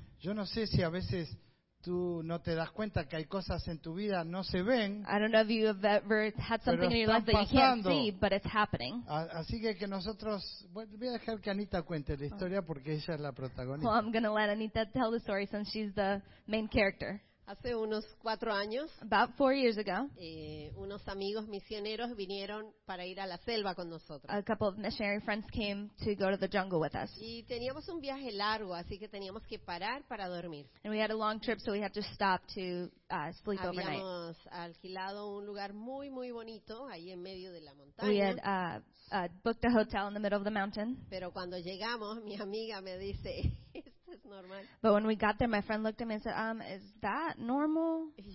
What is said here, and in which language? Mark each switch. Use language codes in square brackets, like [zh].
[es] Yo no sé si a veces tú no te das cuenta que hay cosas en tu vida no se ven. [en] I don't know if you have ever had something in your life that you can't see, but it's happening. [es] Así que nosotros, bueno, voy a dejar que Anita cuente la historia porque ella es la protagonista. [en] Well, I'm going to let Anita tell the story since she's the main character. [es] Hace unos 4 años, [en] about 4 years ago, [es] unos amigos misioneros vinieron para ir a la selva con nosotros. [en] A couple of missionary friends came to go to the jungle with us. [es] Y teníamos un viaje largo, así que teníamos que parar para dormir. [en] And we had a long trip, so we had to stop to sleep [es] Habíamos [en] overnight. [es] Habíamos alquilado un lugar muy muy bonito ahí en medio de la montaña. [en] We had booked a hotel in the middle of the mountain. [es] Pero cuando llegamos, mi amiga me dice. [en] But when we got there, my friend looked at me and said, is that normal?